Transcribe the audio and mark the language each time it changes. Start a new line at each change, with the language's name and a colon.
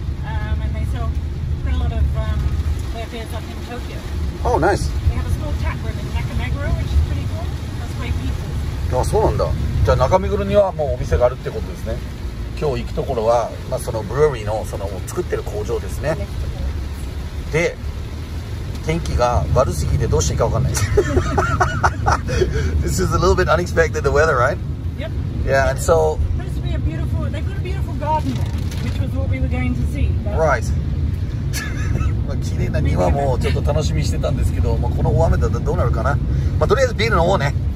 English: And they sell quite a lot of their beers up in Tokyo. Oh, nice. They have a small tap room in Nakameguro, which is pretty cool. That's where people.
Japanese: あ、そうなんだ。じゃあ中目黒にはもうお店があるってことですね。今日行くところは、まあ、そのブルーリーの、その作ってる工場ですね。で、天気が悪すぎてどうしていいか分かんない。
English: This is a little bit unexpected, the weather, right? Yep. Yeah, and so... It's supposed to be a beautiful... They've got a beautiful garden there, which was what we were going to see. But... Right.
Japanese: まあ、綺麗な庭もちょっと楽しみしてたんですけど、まあ、この大雨だとどうなるかな。まあ、とりあえずビールの方ね。